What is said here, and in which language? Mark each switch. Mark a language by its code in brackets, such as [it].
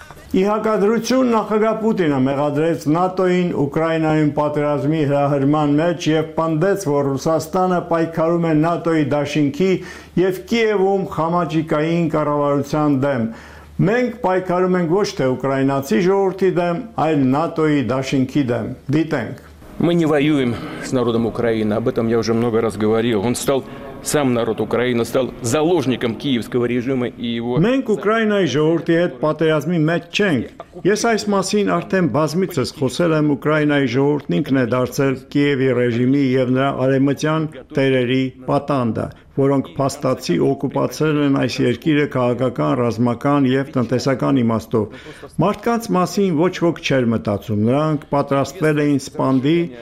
[hy] Ի հակադրություն նախագահ Պուտինը մեղադրեց ՆԱՏՕ-ին Ուկրաինայում պատերազմի հրահրման մեջ և պնդեց, որ Ռուսաստանը պայքարում է ՆԱՏՕ-ի դաշինքի և Կիևում խամաճիկային կառավարության դեմ։ Մենք պայքարում ենք ոչ թե ուկրաինացի ժողովրդի դեմ, այլ ՆԱՏՕ-ի դաշինքի դեմ։ Դիտենք։ [ru] Мы не воюем с народом Украины, об этом я уже много раз говорил. Он стал сам народ Украины стал заложником киевского режима и его [hy] Մենք Ուկրաինայի ժողովրդի հետ պատերազմի մեջ չենք։ Ես այս մասին արդեն բազմիցս խոսել եմ, Ուկրաինայի ժողովրդն ինքն է դարձել Կիևի ռեժիմի և նրա արևմտյան տերերի պատանդը, որոնք փաստացի օկուպացրել են այս երկիրը քաղաքական, ռազմական և տնտեսական իմաստով։ Մարդկանց մասին ոչ ոք չէր մտածում, նրանք պատրաստվել էին սպանդի